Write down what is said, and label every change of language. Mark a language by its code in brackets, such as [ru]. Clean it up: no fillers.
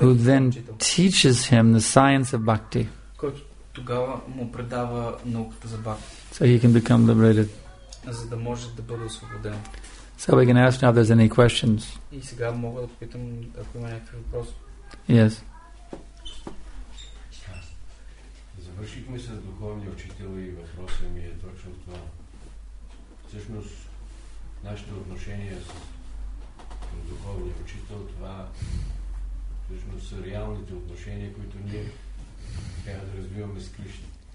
[en] Who then teaches him the science of bhakti. [bg] Който тогава му предава науката за бхакти. [en] So he can become liberated. [bg] За да може да бъде освободен. [en] So we can ask now if there's any questions. [bg] И сега мога да попитам ако има някакви въпроси. [en] Yes. [bg] Завършихме с духовния учител и въпросът ми е точно това. Всъщност, нашето отношение с духовния учител, това всъщност са реалните отношения, които ние трябва да развиваме с Кришна.